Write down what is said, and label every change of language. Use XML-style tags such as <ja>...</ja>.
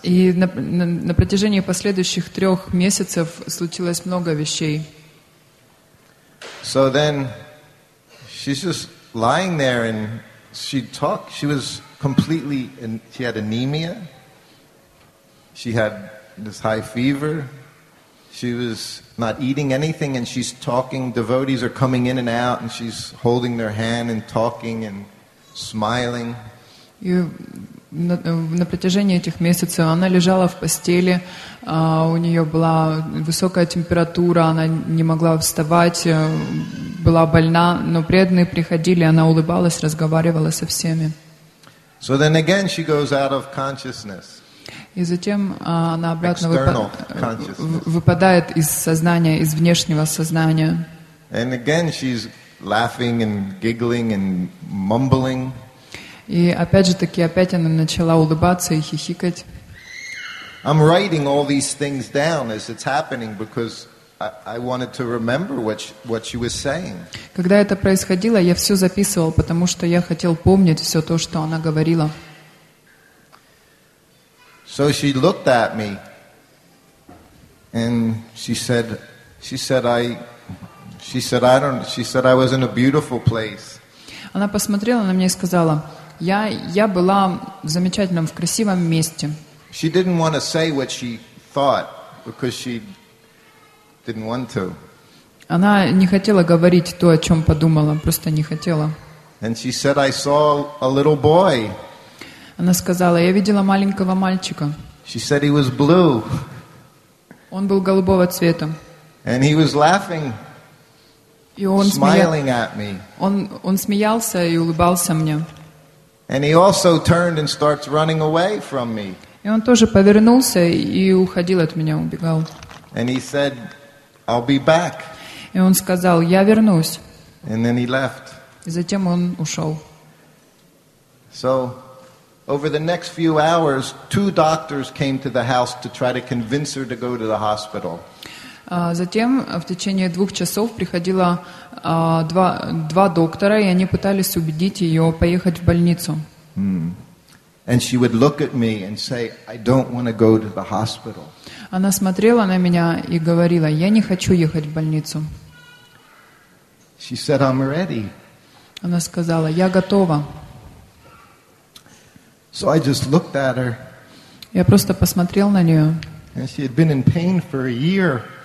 <ru>И на протяжении последующих 3 месяцев случилось много вещей.</ru> <en>So then, she's just lying there, and she talked. She was completely. She had anemia. She had this high fever. She was not eating anything, and she's talking. Devotees are coming in and out, and she's holding their hand and talking and smiling.</en> <ru>И на протяжении этих месяцев она лежала в постели, у нее была высокая температура, она не могла вставать, была больна, но преданные приходили, она улыбалась, разговаривала со всеми.</ru> <en>So then again she goes out of consciousness.</en> <ru>И затем она обратно выпадает из сознания, из внешнего сознания.</ru> <en>And again she's laughing and giggling and mumbling.</en> <ru>И опять же таки, опять она начала улыбаться и хихикать.</ru> <en>I'm writing all these things down as it's happening because I wanted to remember what she was saying.</en> <ru>Когда это происходило, я все записывал, потому что я хотел помнить все то, что она говорила.</ru> <en>So she looked at me and she said I was in a beautiful place.</en> <ru>Она посмотрела на меня и сказала. Я была в замечательном, в красивом месте.</ru> <en>She didn't want to say what she thought because she didn't want to.</en> <ru>Она не хотела говорить то, о чем подумала, просто не хотела.</ru> <en>And she said, I saw a little boy.</en> <ru>Она сказала, я видела маленького мальчика.</ru> <en>She said he was blue.</en> <ru>Он был голубого цвета.</ru> <en>And he was laughing,</en> <ru>и он</ru> <en>smiling at me.</en> <ru>Он смеялся и улыбался мне.</ru> <en>And he also turned and starts running away from me.</en> <ru>И он тоже повернулся и уходил от меня, убегал.</ru> <en>And he said, "I'll be back."</en> <ru>И он сказал: «Я вернусь».</ru> <en>And then he left.</en> <ru>И затем он ушел.</ru> <en>So, over the next few hours, two doctors came to the house to try to convince her to go to the hospital.</en> <ru>Затем в течение двух часов приходило два доктора, и они пытались убедить ее поехать в больницу. Hmm.</ru> <en>And she would look at me and say, "I don't want to go to the hospital."</en> <ru>Она смотрела на меня и говорила: "Я не хочу ехать в больницу."</ru> <en>She said, "I'm ready."</en> <ru>Она сказала: "Я готова."</ru> <en>So I just looked at her.</en> <ru>Я просто посмотрел на нее.</ru> <en>And she had been in pain for a year.</en>